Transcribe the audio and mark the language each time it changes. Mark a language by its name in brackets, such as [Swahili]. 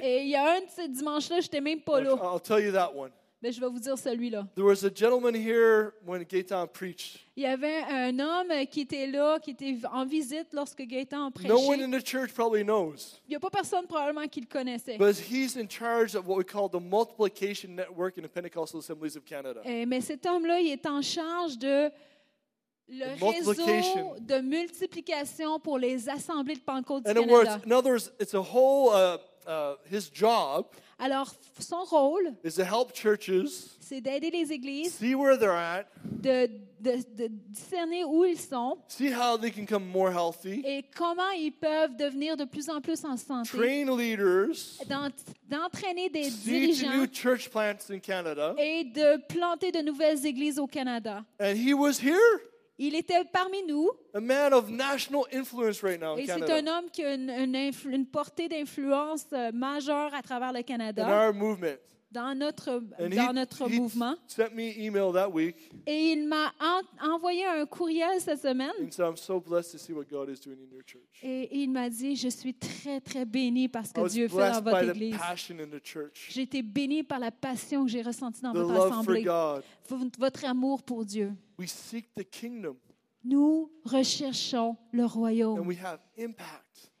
[French] Et il y a un de ces dimanches-là, j'étais même pas là. [English] I'll tell you that one. [French] Mais je vais vous dire celui-là. [English] There was a gentleman here when Gaétan preached. [French] Il y avait un homme qui était là, qui était en visite lorsque Gaétan a prêché. [English] No one in the church probably knows. [French] Il y a pas personne probablement qui le connaissait. [English] But he's in charge of what we call the multiplication network in the Pentecostal Assemblies of Canada. [French] Mais cet homme-là, il est en charge de le réseau de multiplication pour les assemblées de Pentecôte du Canada. [English] In other words, it's a whole his job. [French] Alors, son rôle, [English] is to help churches, [French] c'est d'aider les églises, [English] see where they're at, [French] de discerner où ils sont, [English] see how they can become more healthy, [French] et comment ils peuvent devenir de plus en plus en santé, [English] train leaders, [French] d'entraîner des dirigeants, [English] see to new church plants in Canada, [French] et de planter de nouvelles églises au Canada. [English] And he was here. [French] Il était parmi nous. [English] A man of national influence right now in Canada. [French] Et c'est un homme qui a une portée d'influence majeure à travers le Canada. [English] In our movement. [French] Dans notre mouvement. [English] He sent me email that week. [French] Et il m'a envoyé un courriel cette semaine. [English] And so I'm so blessed to see what God is doing in your church. [French] Et il m'a dit, je suis très très béni parce que Dieu fait dans votre église. [English] The passion in the church. [French] J'ai été béni par la passion que j'ai ressentie dans [English] the [French] votre assemblée. [English] Love for God. [French] Votre amour pour Dieu. [English] We seek the kingdom. [French] Nous recherchons le royaume. [English] And we have impact.